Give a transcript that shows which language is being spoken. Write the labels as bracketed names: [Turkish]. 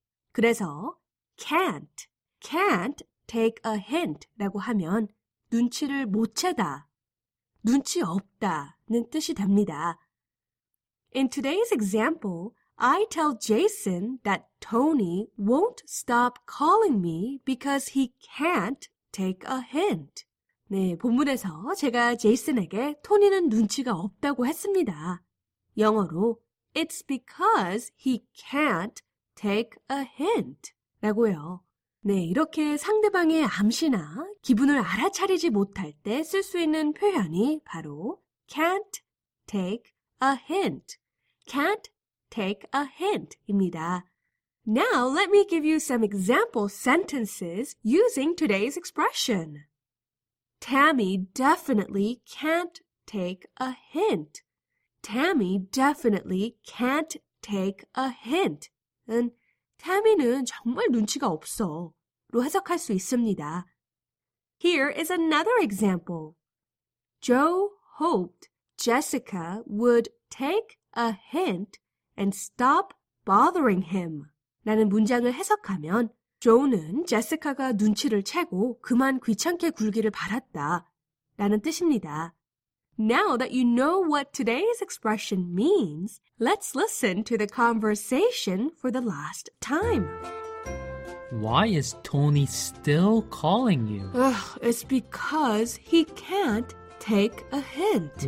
[Korean] 그래서 [English] can't take a hint [Korean] 라고 하면 눈치를 못 채다, 눈치 없다는 뜻이 됩니다. [English] In today's example, I tell Jason that Tony won't stop calling me because he can't take a hint. [Korean] 네, 본문에서 제가 제이슨에게 토니는 눈치가 없다고 했습니다. 영어로 [English] It's because he can't take a hint [Korean] 라고요. 네, 이렇게 상대방의 암시나 기분을 알아차리지 못할 때 쓸 수 있는 표현이 바로 [English] can't take a hint. can't take a hint [Korean] 입니다. [English] Now let me give you some example sentences using today's expression. Tammy definitely can't take a hint. Tammy definitely can't take a hint. [Korean] 타미는 정말 눈치가 없어로 해석할 수 있습니다. [English] Here is another example. Joe hoped Jessica would take a hint and stop bothering him. [Korean] 라는 문장을 해석하면 조는 제시카가 눈치를 채고 그만 귀찮게 굴기를 바랐다 라는 뜻입니다. [English] Now that you know what today's expression means, let's listen to the conversation for the last time. Why is Tony still calling you? It's because he can't take a hint.